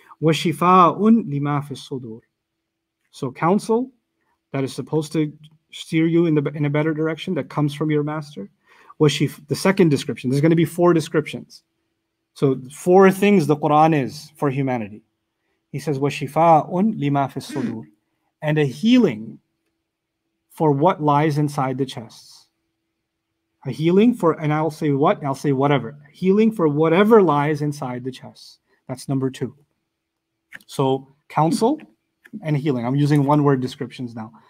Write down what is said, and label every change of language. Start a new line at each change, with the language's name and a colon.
Arabic: وَشِفَاءٌ لِمَا فِي الصُّدُورِ.
English: So counsel that is supposed to steer you in a better direction that comes from your master. The second description, there's going to be four descriptions. So four things the Quran is for humanity. He says,
Arabic: وَشِفَاءٌ لِمَا فِي الصُّدُورِ.
English: And a healing for what lies inside the chests. A healing for, and I'll say what? I'll say whatever. Healing for whatever lies inside the chest. That's number two. So counsel and healing. I'm using one word descriptions now.